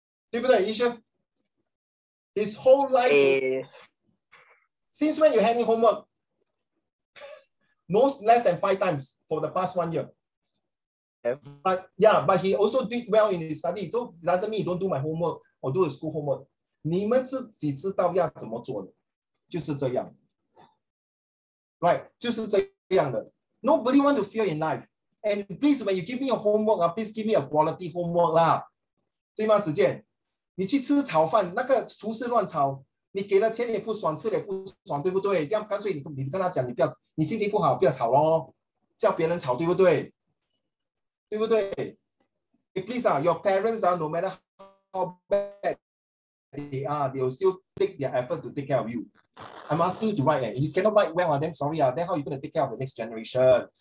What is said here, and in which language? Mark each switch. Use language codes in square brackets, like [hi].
[zh] 对不对, 医生? [en] His whole life... Since when you handing homework? Most less than 5 times for the past 1 year. But he also did well in his study. So it doesn't mean you don't do my homework or do the school homework. [zh] 你们自己知道要怎么做的? 就是这样. [en] Right? [zh] 就是这样的. [en] Nobody want to fail in life. And please, when you give me a homework, please give me a quality homework. [zh] 对吗, 子健? 你去吃炒饭, 那个厨师乱炒, 你给了钱也不爽, 吃了也不爽, 对不对? 这样干脆你跟他讲, 你不要, 你心情不好, 不要吵咯, 叫别人吵, 对不对? 对不对? [en] Hey, please, your parents, no matter how bad they are, they will still take their effort to take care of you. I'm asking you to write, if you cannot write well, then sorry, then how are you going to take care of the next generation?